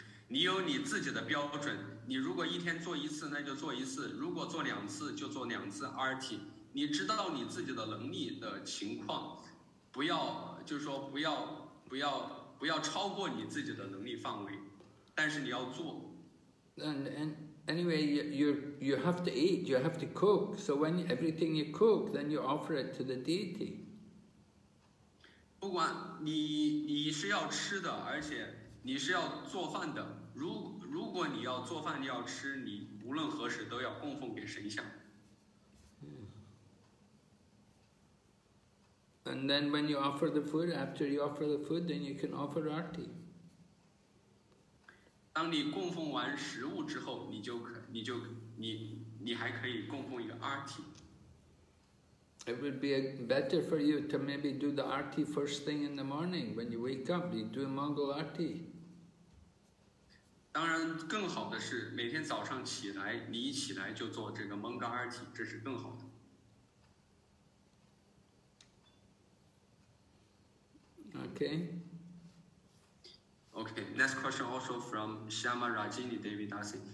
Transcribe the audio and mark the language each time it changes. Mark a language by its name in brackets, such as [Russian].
[Chinese] 你有你自己的标准，你如果一天做一次，那就做一次；如果做两次，就做两次。 RT， 你知道你自己的能力的情况，不要就是说不要超过你自己的能力范围，但是你要做。 [English] And anyway, you have to eat, you have to cook. So when everything you cook, then you offer it to the deity. [Chinese] 不管你是要吃的，而且你是要做饭的。如果你要做饭，你要吃，你无论何时都要供奉给神像。 [English] And then when you offer the food, after you offer the food, then you can offer arti. [Chinese] 当你供奉完食物之后，你还可以供奉一个 arti。 [English] It would be better for you to maybe do the arti first thing in the morning when you wake up. You do a mangal arti. [Chinese] 当然更好的是每天早上起来你一起来就做这个蒙嘎尔体，这是更好的。 [English] Okay, next question also from Shama Rajini David Dasi.